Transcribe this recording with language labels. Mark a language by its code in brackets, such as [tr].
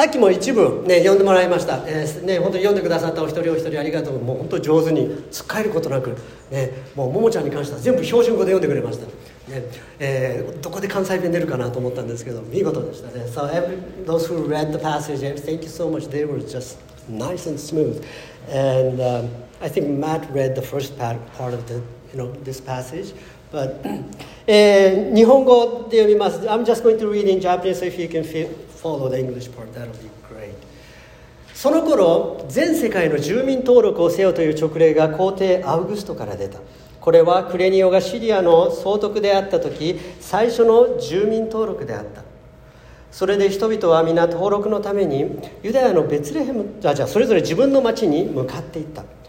[ja] さっきも一部、ね、読んでもらいました、ね、本当に読んでくださったお一人お一人ありがとう。もう本当上手に使えることなく、ね、もう桃ちゃんに関しては全部標準語で読んでくれました、ね。どこで関西弁出るかなと思ったんですけど見事でしたね。 [en] So every, those who read the passage, thank you so much. They were just nice and smooth. And、I think Matt read the first part of the, you know, this passage. [ja] But, 日本語で読みます。 [en] I'm just going to read in Japanese, so if you can follow the English part, that'll be great. [ja] その頃、全世界の住民登録をせよという勅令が皇帝アウグストから出た。これはクレニオがシリアの総督であった時、最初の住民登録であった。それで人々は皆登録のためにユダヤのベツレヘム、それぞれ自分の町に向かっていった。